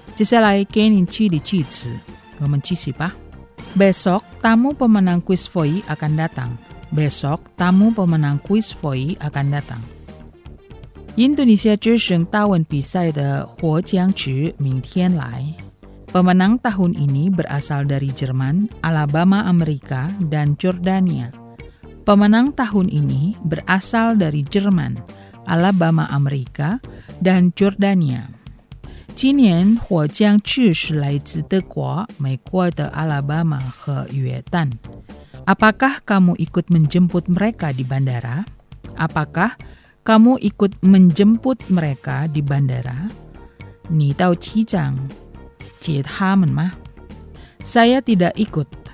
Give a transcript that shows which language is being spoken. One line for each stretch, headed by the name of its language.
Chinese: 接下来给您举例句子，我们继续吧。
Indonesian: Besok tamu pemenang quiz for akan datang. Besok tamu pemenang quiz for akan datang.
Chinese: 印度尼西亚之声大问比赛的获奖者明天来。
Indonesian: Pemenang tahun ini berasal dari Jerman, Alabama, Amerika, dan Jordania. Pemenang tahun ini berasal dari Jerman, Alabama, Amerika, dan Jordania.
Chinese: 今年获奖者是来自德国、美国的 Alabama 和约旦。
Indonesian: Apakah kamu ikut menjemput mereka di bandara? Apakah kamu ikut menjemput mereka di bandara?
Chinese: 你到机场接他们吗？
Indonesian: Saya tidak ikut.